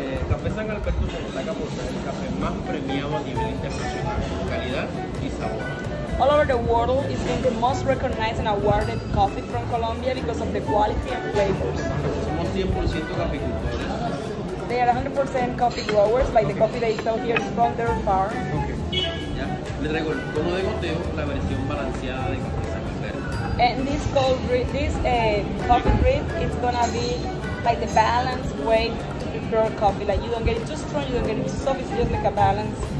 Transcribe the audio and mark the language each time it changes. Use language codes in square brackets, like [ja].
[es] Café San Alberto se destaca por ser el café más premiado a nivel internacional, calidad y sabor. [en] All over the world is being the most recognized and awarded coffee from Colombia because of the quality and flavors. [es] Somos 100% caficultores. [en] They are 100% coffee growers, like okay. The coffee they sell here is from their farm. Okay. [es] Le traigo el cono de goteo, la versión balanceada de Café San Alberto. [en] And this cold drink, this coffee drink, it's gonna be like the balanced way to prepare coffee. Like you don't get it too strong, you don't get it too soft. It's just like a balance.